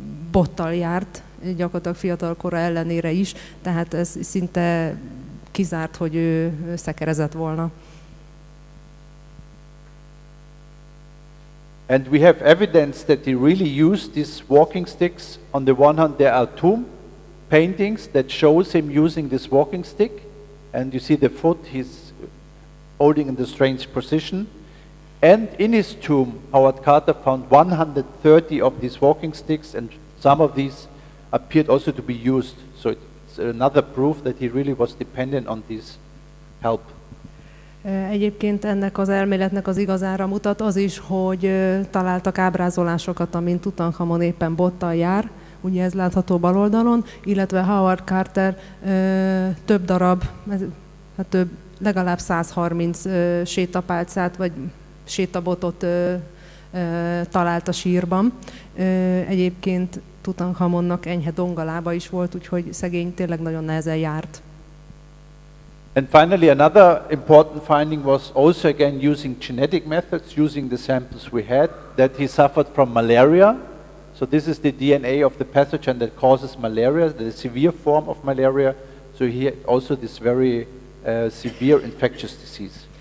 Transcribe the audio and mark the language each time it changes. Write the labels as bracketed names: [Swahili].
[Hungarian] Bottal járt, gyakorlatilag fiatalkora ellenére is, tehát ez szinte kizárt, hogy ő szekerezett volna. [English] And we have evidence that he really used these walking sticks. On the one hand, there are two paintings that shows him using this walking stick. And you see the foot he's holding in the strange position. And in his tomb, Howard Carter found 130 of these walking sticks, and some of these appeared also to be used. So it's another proof that he really was dependent on this help. [Hungarian] Egyébként ennek az elméletnek az igazára mutat az is, hogy találtak ábrázolásokat, amint Tutankhamon éppen bottal jár, ugye ez látható bal oldalon, illetve Howard Carter több darab, hát több, legalább 130 sétapálcát vagy sétabotot talált a sírban. Egyébként Tutankhamonnak enyhe dongalába is volt, úgyhogy szegény tényleg nagyon nehezen járt. [English] And finally, another important finding was also again using genetic methods, using the samples we had, that he suffered from malaria. So this is the DNA of the pathogen that causes malaria, the severe form of malaria. So he had also this very severe infectious disease.